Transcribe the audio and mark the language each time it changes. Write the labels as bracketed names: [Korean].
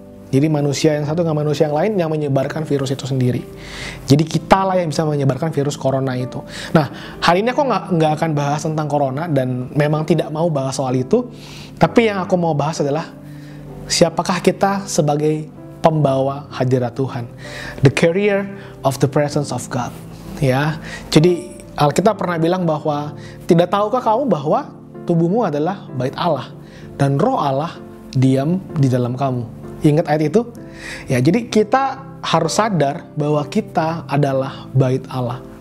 [Indonesian] Jadi manusia yang satu dengan manusia yang lain yang menyebarkan virus itu sendiri. Jadi kitalah yang bisa menyebarkan virus corona itu. Nah, hari ini aku nggak akan bahas tentang corona dan memang tidak mau bahas soal itu. Tapi yang aku mau bahas adalah siapakah kita sebagai pembawa hadirat Tuhan. [English] The carrier of the presence of God. [Indonesian] Ya. Jadi Alkitab pernah bilang bahwa tidak tahukah kamu bahwa tubuhmu adalah bait Allah dan roh Allah diam di dalam kamu. Ingat ayat itu? Ya, jadi kita harus sadar bahwa kita adalah bait Allah.